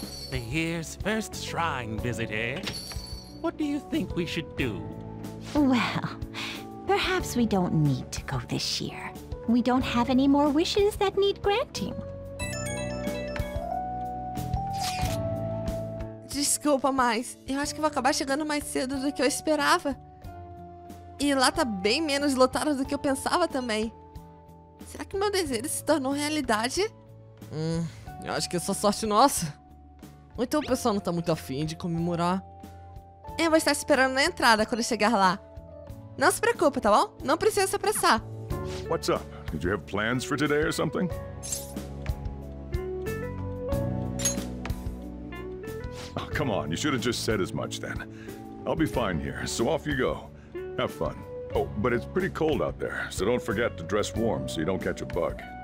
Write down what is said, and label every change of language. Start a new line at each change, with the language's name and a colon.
English: The year's first shrine visit, eh? What do you think we should do? Well, perhaps we don't need to go this year. We don't have any more wishes that need granting.
Portuguese: Desculpa, mas eu acho que vou acabar chegando mais cedo do que eu esperava. E lá tá bem menos lotado do que eu pensava também. Será que meu desejo se tornou realidade? Eu acho que é só sorte nossa. Ou então o pessoal não tá muito afim de comemorar. Eu vou estar esperando na entrada quando chegar lá. Não se preocupe, tá bom? Não precisa se apressar.
English: What's up? Did you have plans for today or something? Oh, come on, you should have just said as much then. I'll be fine here, so off you go. Have fun. Oh, but it's pretty cold out there, so don't forget to dress warm so you don't catch a bug.